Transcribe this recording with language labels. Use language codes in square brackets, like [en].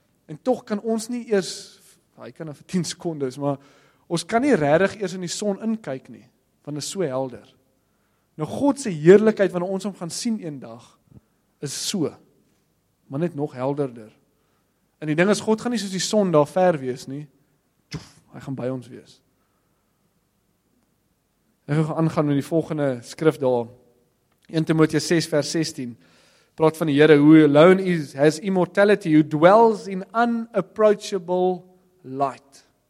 [af] En tog kan ons nie eers, hy kan nou vir 10 sekondes, maar ons kan nie regtig eers in die son inkyk nie, want dit is so helder. Nou God se heerlikheid, wanneer ons hom gaan sien een dag, is so. Maar net nog helderder. En die ding is, God gaan nie soos die son daar ver wees nie. Tjof, hy gaan by ons wees. Ek gaan aangaan met die volgende skrif daar. 1 Timoteus 6 vers 16. Praat van die Here, [en] who alone is, has immortality, who dwells in unapproachable light.